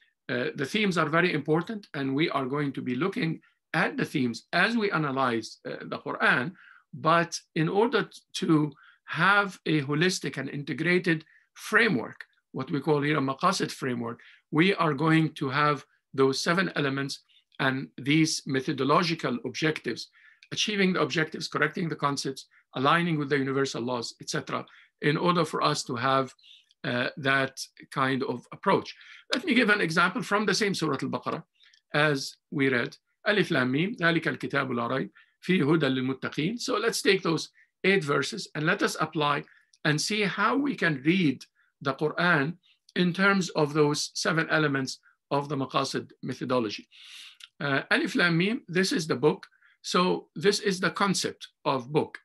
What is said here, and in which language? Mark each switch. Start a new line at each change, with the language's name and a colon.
English: The themes are very important, and we are going to be looking at the themes as we analyze the Quran, but in order to have a holistic and integrated framework, what we call here a Maqasid framework, we are going to have those seven elements and these methodological objectives, achieving the objectives, correcting the concepts, aligning with the universal laws, etc., in order for us to have that kind of approach. Let me give an example from the same Surah Al-Baqarah. as we read,
Arabic: Alif Lam Mim, ذَلِكَ الْكِتَابُ لَا رَيْبَ فِيهِ هُدًى لِلْمُتَّقِينَ.
English: So let's take those 8 verses and let us apply and see how we can read the Quran in terms of those 7 elements of the Maqasid methodology. Alif Lam Mim, this is the book. So this is the concept of book.